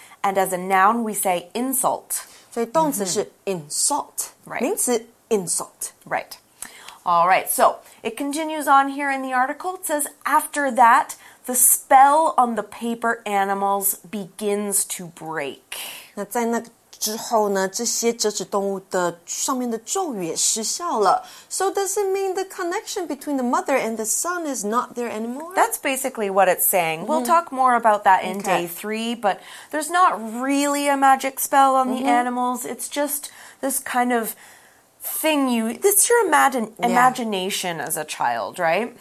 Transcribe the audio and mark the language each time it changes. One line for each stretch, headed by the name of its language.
English: And as a noun, we say insult.
Chinese: 所以动词是 insult,、
English: mm-hmm.
Chinese: 名词 insult.
English: Right. All right, so it continues on here in the article. It says, after that, the spell on the paper animals begins to break.
Chinese: 那在那个之后呢，这些折纸动物的上面的咒语也失效了。
English: So does it mean the connection between the mother and the son is not there anymore? That's basically what it's saying. We'll、mm-hmm. talk more about that in、okay. day three, but there's not really a magic spell on、mm-hmm. the animals. It's just this kind of thing you... It's your imagination as a child, right?